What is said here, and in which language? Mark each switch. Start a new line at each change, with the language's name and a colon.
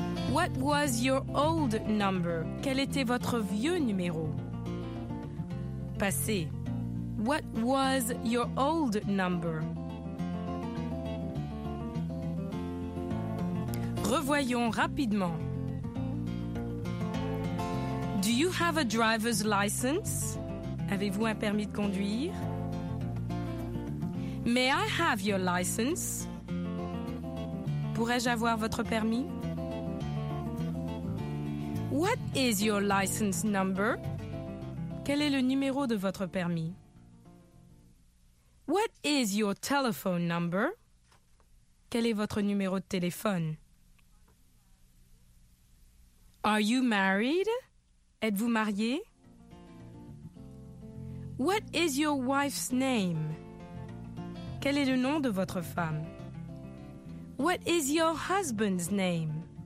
English: What was your old number?
French: Quel était votre vieux numéro? Passé.
English: What was your old number?
French: Revoyons rapidement.
English: Do you have a driver's license?
French: Avez-vous un permis de conduire?
English: May I have your license?
French: Pourrais-je avoir votre permis?
English: What is your license number?
French: Quel est le numéro de votre permis?
English: What is your telephone number?
French: Quel est votre numéro de téléphone?
English: Are you married?
French: Êtes-vous marié?
English: What is your wife's name?
French: Quel est le nom de votre femme?
English: What is your husband's name?